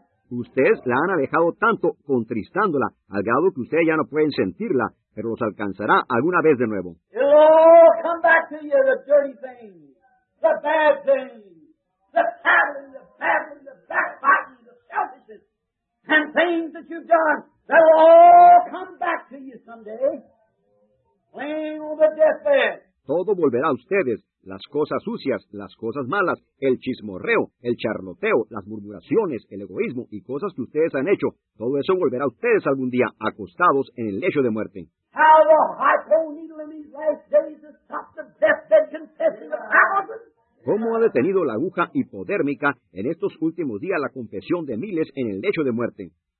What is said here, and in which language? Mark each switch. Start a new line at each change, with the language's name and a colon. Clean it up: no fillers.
Spanish: Ustedes la han alejado tanto, contristándola, al grado que ustedes ya no pueden sentirla, pero los alcanzará alguna vez de nuevo.
English: It'll all come back to you, the dirty thing, the bad thing, the paddling, the paddling, the backbiting, the selfishness. And things that you've done, they'll all come back to you someday. Laying on the deathbed.
Spanish: Todo volverá a ustedes. Las cosas sucias, las cosas malas, el chismorreo, el charloteo, las murmuraciones, el egoísmo y cosas que ustedes han hecho. Todo eso volverá a ustedes algún día, acostados en el lecho de muerte.
English: How the hypo needle in these last days has stopped the deathbed confessing of thousands.
Spanish: ¿Cómo ha detenido la aguja hipodérmica en estos últimos días la confesión de miles en el lecho de muerte?